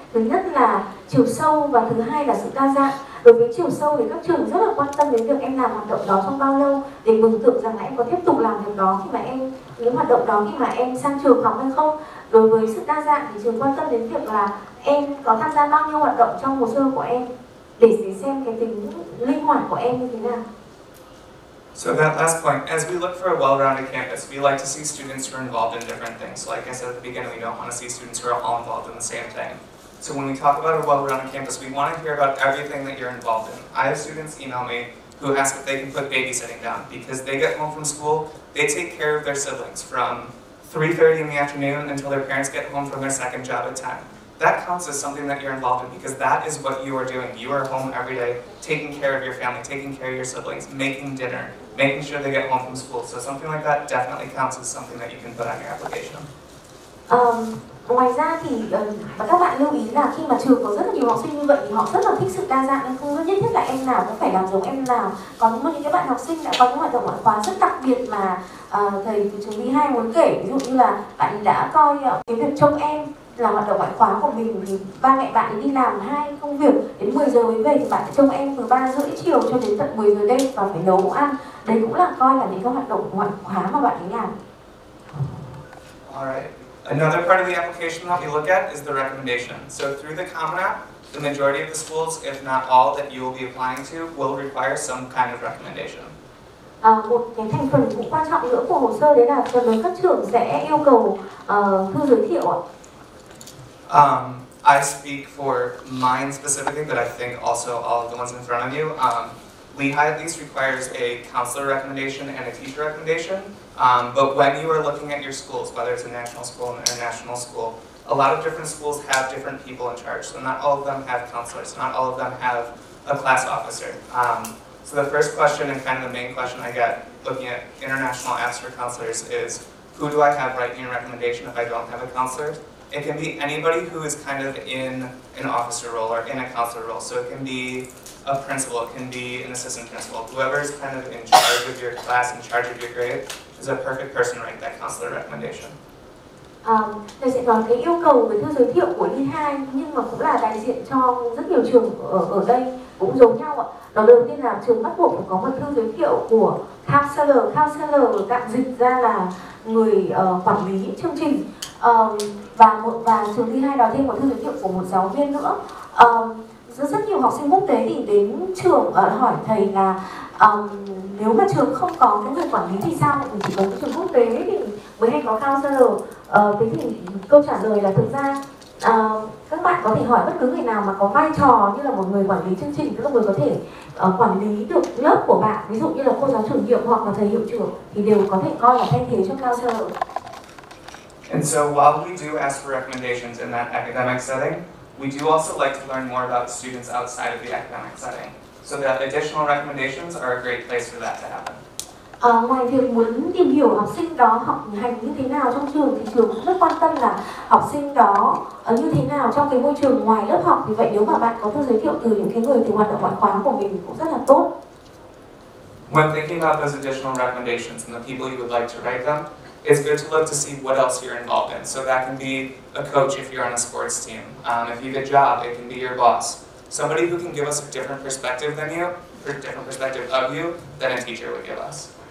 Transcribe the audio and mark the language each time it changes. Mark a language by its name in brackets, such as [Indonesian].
[Vietnamese] Thứ nhất là chiều sâu và thứ hai là sự đa dạng. Đối với chiều sâu thì các trường rất là quan tâm đến việc em làm hoạt động đó trong bao lâu để mừng tượng rằng là em có tiếp tục làm việc đó khi mà em những hoạt động đó khi mà em sang trường học hay không. Đối với sự đa dạng thì trường quan tâm đến việc là em có tham gia bao nhiêu hoạt động trong hồ sơ của em để xem cái tính linh hoạt của em như thế nào. [English] So that last point, as we look for a well-rounded campus, we like to see students who are involved in different things. Like I said at the beginning, we don't want to see students who are all involved in the same thing. So when we talk about a well-rounded campus, we want to hear about everything that you're involved in. I have students email me who ask if they can put babysitting down because they get home from school, they take care of their siblings from 3:30 in the afternoon until their parents get home from their second job at 10. That counts as something that you're involved in because that is what you are doing. You are home every day, taking care of your family, taking care of your siblings, making dinner, making sure they get home from school. So something like that definitely counts as something that you can put on your application. [Vietnamese] Ngoài ra thì các bạn lưu ý là khi mà trường có rất là nhiều học sinh như vậy thì họ rất là thích sự đa dạng, nên không nhất thiết là em nào cũng phải làm giống em nào. Còn một những cái bạn học sinh đã có những hoạt động ngoại khóa rất đặc biệt mà thầy của trường B2 muốn kể, ví dụ như là bạn đã coi cái việc trông em là hoạt động ngoại khóa của mình, thì ba mẹ bạn đi làm hai công việc, đến 10 giờ mới về thì bạn trông em từ 3:30 chiều cho đến tận 10 giờ đêm và phải nấu ăn. Đấy cũng là coi là những cái hoạt động ngoại khóa mà bạn ấy làm. [English] Alright. Another part of the application that we look at is the recommendation. So through the Common App, the majority of the schools, if not all, that you will be applying to will require some kind of recommendation. [Vietnamese] Một cái thành phần cũng quan trọng nữa của hồ sơ đấy là phần lớn các trường sẽ yêu cầu thư giới thiệu. [English] I speak for mine specifically, but I think also all of the ones in front of you. Lehigh at least requires a counselor recommendation and a teacher recommendation. But when you are looking at your schools, whether it's a national school or an international school, a lot of different schools have different people in charge. So not all of them have counselors. Not all of them have a class officer. So the first question and kind of the main question I get looking at international apps for counselors is, who do I have writing a recommendation if I don't have a counselor? It can be anybody who is kind of in an officer role or in a counselor role. So it can be a principal, it can be an assistant principal. Whoever is kind of in charge of your class, in charge of your grade, is a perfect person to write that counselor recommendation. [Vietnamese] Nó sẽ có cái yêu cầu về thư giới thiệu của Linh Hai, nhưng mà cũng là đại diện cho rất nhiều trường ở đây cũng giống nhau ạ. Đó đầu tiên là trường bắt buộc phải có một thư giới thiệu của counselor. Counselor tạm dịch ra là người quản lý chương trình. Và trường Linh Hai đòi thêm một thư giới thiệu của một giáo viên nữa. Rất nhiều học sinh quốc tế thì đến trường hỏi thầy là nếu mà trường không có những người quản lý thì sao, mình chỉ có những trường quốc tế thì mới hay có counselor. Thế thì câu trả lời là thực ra các bạn có thể hỏi bất cứ người nào mà có vai trò như là một người quản lý chương trình, tức là người có thể quản lý được lớp của bạn, ví dụ như là cô giáo chủ nhiệm hoặc là thầy hiệu trưởng, thì đều có thể coi là thay thế cho counselor. [English] And so while we do ask for recommendations in that academic setting, we do also like to learn more about students outside of the academic setting. So that additional recommendations are a great place for that to happen. [Vietnamese] Ngoài việc muốn tìm hiểu học sinh đó học hành như thế nào trong trường, thì trường cũng rất quan tâm là học sinh đó như thế nào trong cái môi trường ngoài lớp học. Vì vậy nếu mà bạn có thư giới thiệu từ những cái người từ hoạt động ngoại khóa của mình cũng rất là tốt. [English] When thinking about those additional recommendations and the people you would like to write them, it's good to look to see what else you're involved in. So that can be a coach if you're on a sports team. If you have a job, it can be your boss. Somebody who can give us a different perspective than you, or a different perspective of you, than a teacher would give us.